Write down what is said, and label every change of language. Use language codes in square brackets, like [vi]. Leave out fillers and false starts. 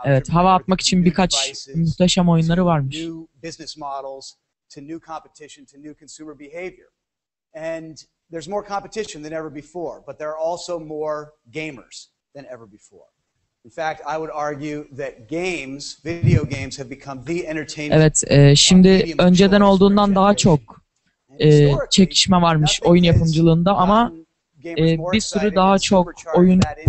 [tr] Evet, hava atmak için birkaç muhteşem oyunları varmış. [en] New business models to new competition to new consumer behavior. And there's more competition than ever before, but there are also more gamers than ever before. In fact, I would argue that games, video games have become the entertainment. [tr] Evet, şimdi önceden olduğundan daha çok çekişme varmış oyun yapımcılığında ama bir sürü daha çok oyun